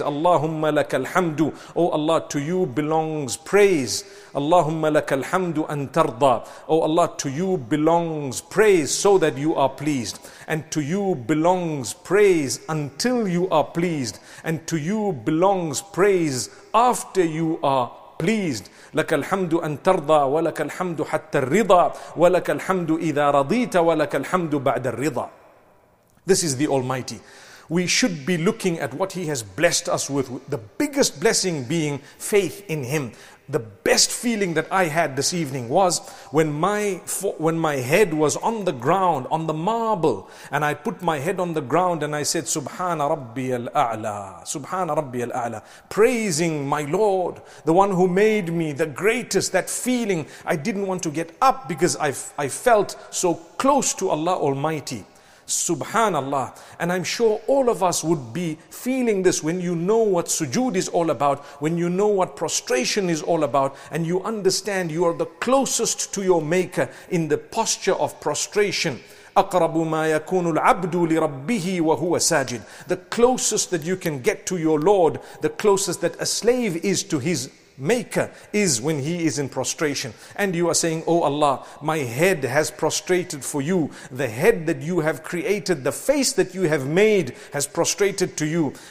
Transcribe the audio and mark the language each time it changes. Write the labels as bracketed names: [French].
[Arabic] Allahumma lakal hamdu. [English] O Allah, to you belongs praise. [Arabic] Allahumma lakal hamdu an tarda. [English] O Allah, to you belongs praise so that you are pleased. And to you belongs praise until you are pleased. And to you belongs praise after you are pleased. [Arabic] لَكَ الْحَمْدُ أَن تَرْضَى وَلَكَ الْحَمْدُ حَتَّى الرِّضَى وَلَكَ الْحَمْدُ إِذَا رَضِيتَ وَلَكَ الْحَمْدُ بَعْدَ الرِّضَى. [English] This is the Almighty. We should be looking at what He has blessed us with. The biggest blessing being faith in Him. The best feeling that I had this evening was when my head was on the ground, on the marble, and I put my head on the ground and I said, [Arabic] Subhana Rabbi al-A'la, Subhana Rabbi al-A'la, [English] praising my Lord, the one who made me the greatest. That feeling, I didn't want to get up because I felt so close to Allah Almighty. [Arabic] Subhanallah. [English] And I'm sure all of us would be feeling this when you know what sujood is all about, when you know what prostration is all about, and you understand you are the closest to your Maker in the posture of prostration. [Arabic] أقرب ما يكون العبد لربه وهو ساجد. [English] The closest that you can get to your Lord, the closest that a slave is to his Maker, is when he is in prostration. And you are saying, Oh Allah, my head has prostrated for you. The head that you have created, the face that you have made, has prostrated to you.